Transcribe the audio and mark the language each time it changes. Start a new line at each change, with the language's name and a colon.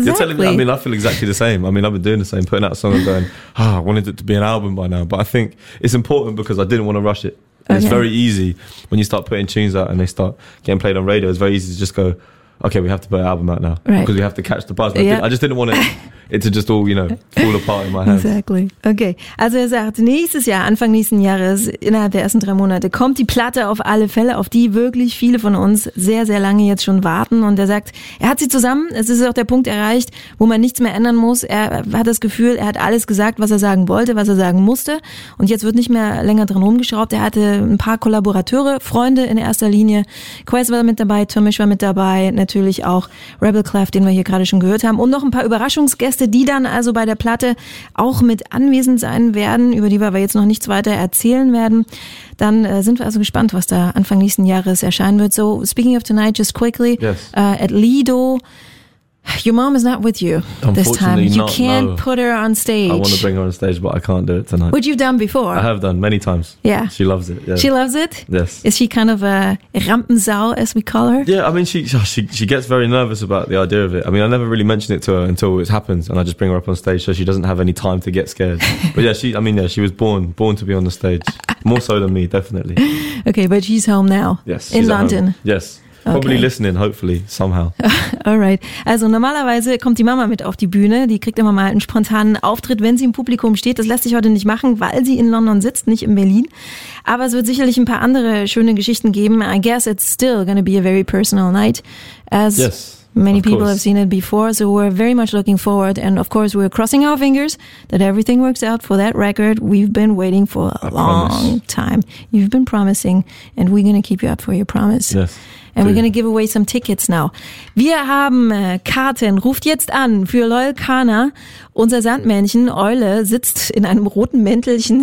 English: You're telling me, I mean, I feel exactly the same. I mean, I've been doing the same, putting out a song and going, I wanted it to be an album by now. But I think it's important because I didn't want to rush it. Okay. It's very easy when you start putting tunes out and they start getting played on radio. It's very easy to just go, okay, we have to put an album out now because we have to catch the buzz. Yep. I just didn't want it to just all, you know, fall apart in my hands. Exactly. Okay.
German: Also er sagt, nächstes Jahr, Anfang nächsten Jahres, innerhalb der ersten 3 Monate, kommt die Platte auf alle Fälle, auf die wirklich viele von uns sehr, sehr lange jetzt schon warten. Und er sagt, er hat sie zusammen. Es ist auch der Punkt erreicht, wo man nichts mehr ändern muss. Er hat das Gefühl, er hat alles gesagt, was er sagen wollte, was er sagen musste. Und jetzt wird nicht mehr länger dran rumgeschraubt. Er hatte ein paar Kollaborateure, Freunde in erster Linie. Quest war mit dabei, Tomisch war mit dabei, natürlich auch Rebel Clef, den wir hier gerade schon gehört haben. Und noch ein paar Überraschungsgäste, die dann also bei der Platte auch mit anwesend sein werden, über die wir aber jetzt noch nichts weiter erzählen werden. Dann sind wir also gespannt, was da Anfang nächsten Jahres erscheinen wird.
English: So, speaking of tonight, just quickly, yes. At Lido, your mom is not with you this time. Not, you can't put her on stage. I want to bring her on stage, but I can't do it tonight. Which you've done before. I have done many times. Yeah. She loves it. Yeah. She loves it? Yes. Is she kind of a Rampensau, as we call her? Yeah, I mean, she gets very nervous about the idea of it. I mean, I never really mention it to her until it happens, and I just bring her up on stage so she doesn't have any time to get scared. But yeah, she was born to be on the stage. More so than me, definitely. Okay, but she's home now. Yes. In London. Home. Yes. Probably okay. Listening, hopefully, somehow. Alright.
German: Also normalerweise kommt die Mama mit auf die Bühne. Die kriegt immer mal einen spontanen Auftritt, wenn sie im Publikum steht. Das lässt sich heute nicht machen, weil sie in London sitzt, nicht in Berlin. Aber es wird sicherlich ein paar andere schöne Geschichten geben.
English: I guess it's still gonna be a very personal night. As yes. Many of people course. Have seen it before, so we're very much looking forward. And of course, we're crossing our fingers that everything works out for that record. We've been waiting for a long time. You've been promising, and we're going to keep you up for your promise. Yes. And we're going to give away some tickets now.
German: Wir haben Karten. Ruft jetzt an für Loyal Kana. Unser Sandmännchen, Eule, sitzt in einem roten Mäntelchen.